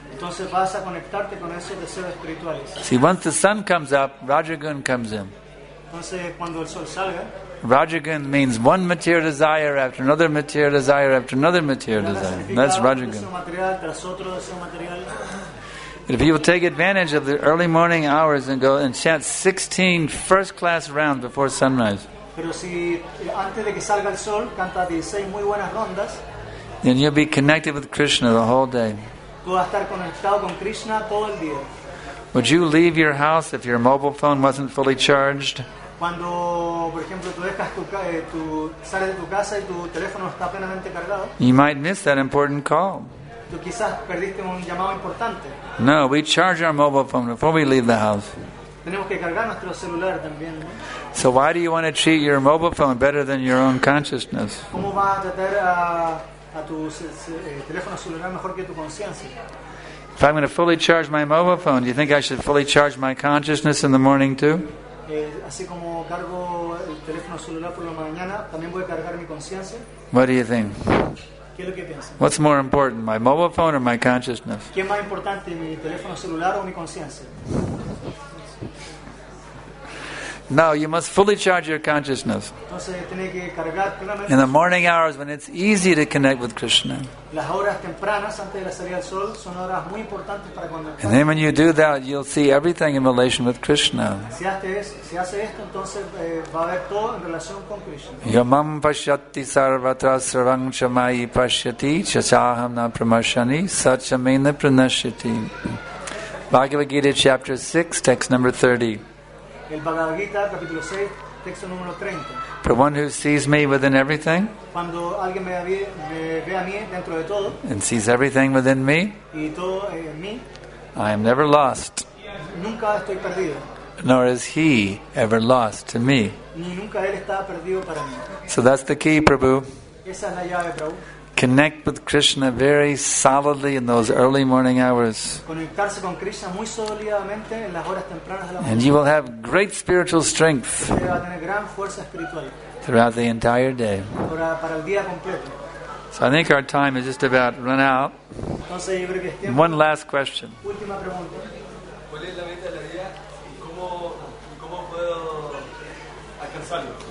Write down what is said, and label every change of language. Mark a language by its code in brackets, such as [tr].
[es] Entonces vas a conectarte con esos deseos espirituales. [en] See, once the sun comes up, Rajagun comes in. [es] Entonces, cuando el sol salga, [en] Rajagun means one material desire after another material desire after another material desire. That's Rajagun. But if you will take advantage of the early morning hours and go and chant 16 first-class rounds before sunrise. [es] Pero si antes de que salga el sol canta 16 muy buenas rondas, [en] then you'll be connected with Krishna the whole day. [es] Tú vas a estar conectado con Krishna todo el día. [en] Would you leave your house if your mobile phone wasn't fully charged? [es] Cuando, por ejemplo, tú dejas tu sales de tu casa y tu teléfono está plenamente cargado. [en] You might miss that important call. [es] Tú quizás perdiste un llamado importante. [en] No, we charge our mobile phone before we leave the house. [es] Tenemos que cargar nuestro celular también, ¿no? [en] So why do you want to treat your mobile phone better than your own consciousness? [es] ¿Cómo vas a tratar a tu teléfono celular mejor que tu conciencia? [en] If I'm going to fully charge my mobile phone, do you think I should fully charge my consciousness in the morning too? [es] Así como cargo el teléfono celular por la mañana, también voy a cargar mi conciencia. [en] What do you think? [es] ¿Qué es lo que piensas? [en] What's more important, my mobile phone or my consciousness? [es] ¿Qué es más importante, mi teléfono celular o mi conciencia? [en] No, you must fully charge your consciousness. [es] Entonces, tiene que cargar plenamente. [en] In the morning hours when it's easy to connect with Krishna. [es] Las horas tempranas antes de la salida del sol son horas muy importantes para cuando. [en] And then when you do that, you'll see everything in relation with Krishna. [es] Si hace esto, entonces va a ver todo en relación con Krishna. [sa] Yamam pashyati sarvatra sarvam chamai pashyati chachaham na pramashani sachamena pranashyati. [en] Bhagavad Gita chapter 6, text number 30. [es] El Bhagavad Gita, capítulo 6, texto número 30. [en] For one who sees me within everything, [es] cuando alguien me ve a mí dentro de todo, [en] and sees everything within me, [es] y todo en mí, [en] I am never lost. [es] Nunca estoy perdido. [en] Nor is he ever lost to me. [es] Ni nunca él está perdido para mí. [en] So that's the key, Prabhu. [es] Esa es la llave, Prabhu. [en] Connect with Krishna very solidly in those early morning hours. [es] Conectarse con Krishna muy sólidamente en las horas tempranas de la mañana. [en] And you will have great spiritual strength. [es] Usted va a tener gran fuerza espiritual. [en] Throughout the entire day. [es] Para el día completo. [en] So I think our time is just about run out. [es] Entonces, yo creo que es tiempo. [en] One last question. [es] Última pregunta. ¿Cuál es la meta de la vida y cómo puedo alcanzarlo?